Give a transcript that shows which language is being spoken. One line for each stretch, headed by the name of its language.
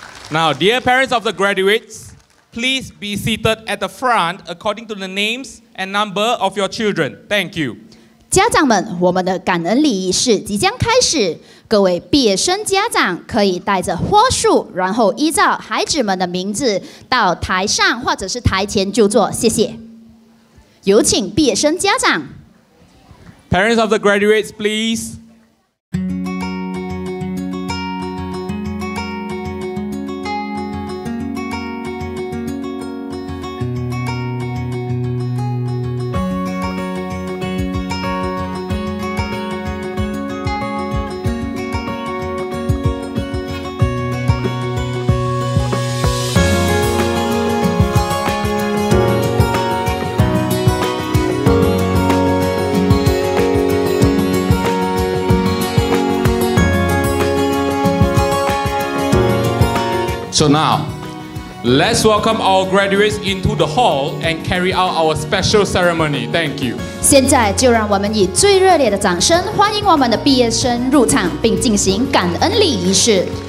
English: Now, dear parents of the graduates, please be seated at the front according to the names and number of your children. Thank you.
Chinese: 家长们，我们的感恩礼仪式即将开始。各位毕业生家长可以带着花束，然后依照孩子们的名字到台上或者是台前就坐。谢谢。有请毕业生家长。
English: Parents of the graduates, please. So now, let's welcome our graduates into the hall and carry out our special ceremony. Thank you.
Chinese: 现在就让我们以最热烈的掌声欢迎我们的毕业生入场，并进行感恩礼仪式。